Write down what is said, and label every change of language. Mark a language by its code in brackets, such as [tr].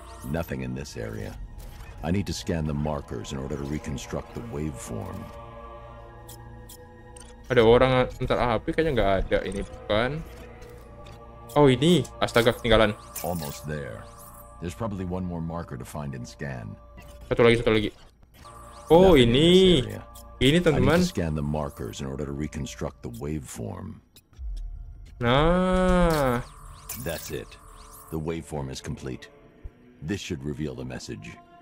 [en] Nothing in this area. I need to scan the markers in order to reconstruct the waveform. [id] Ada orang ntar api kayaknya nggak ada ini bukan? Oh ini, astaga ketinggalan. [en] Almost there. There's probably one more marker to find and scan. [id] Satu lagi. Oh ini, teman-teman. [en] I need to scan the markers in order to reconstruct the waveform. Nah. That's it. The waveform is complete. This should reveal the message.